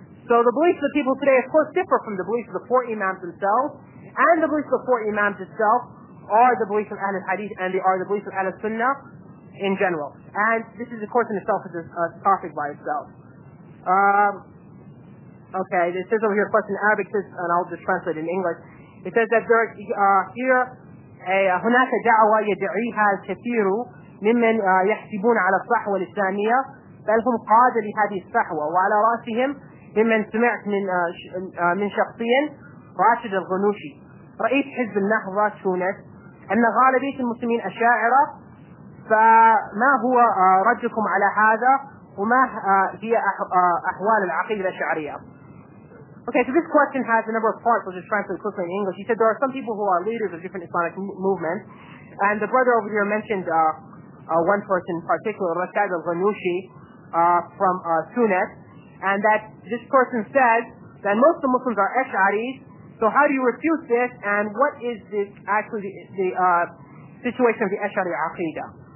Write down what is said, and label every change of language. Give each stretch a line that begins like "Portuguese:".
English: So the beliefs of the people today, of course, differ from the beliefs of the four imams themselves, and the beliefs of the four imams itself are the beliefs of Ahl al-Hadith, and they are the beliefs of Ahl al-Sunnah in general. And this is, of course, in itself is a topic by itself. Okay, it says over here, a question in Arabic, says, and I'll just translate it in English. It says that there are here,
Arabic: هناك دعوة يدعيها الكثير ممن يحسبون على الصحوة الإسلامية بل هم قادة لهذه الصحوة وعلى رأسهم ممن سمعت من شخصيا راشد الغنوشي رئيس حزب النهضة تونس أن غالبية المسلمين أشاعرة فما هو ردكم على هذا وما هي أحوال العقيدة الأشعرية.
English: Okay, so this question has a number of parts, which is translated quickly in English. He said there are some people who are leaders of different Islamic movements, and the brother over here mentioned one person in particular, Rashad al-Ghanoushi, from Tunis, and that this person says that most of the Muslims are Ash'aris, so how do you refute this, and what is this actually the situation of the Ash'ari Aqidah?